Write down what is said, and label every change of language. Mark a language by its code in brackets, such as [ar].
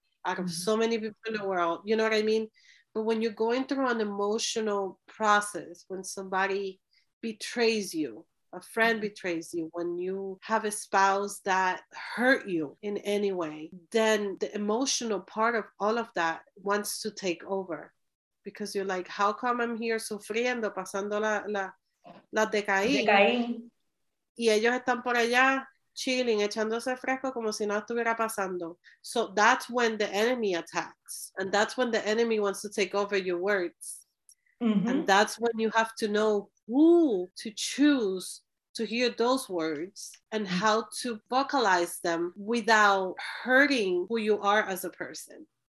[en] Out of so many people in the world, you know what I mean? But when you're going through an emotional process, when somebody betrays you, a friend betrays you, when you have a spouse that hurt you in any way, then the emotional part of all of that wants to take over because you're like, how come I'm here [es] sufriendo, pasando la decaín? Y ellos están por allá chilling, echándose fresco como si no estuviera pasando. [en] So that's when the enemy attacks and that's when the enemy wants to take over your words. And that's when you have to know who to choose to hear those words and how to vocalize them without hurting who you are as a person.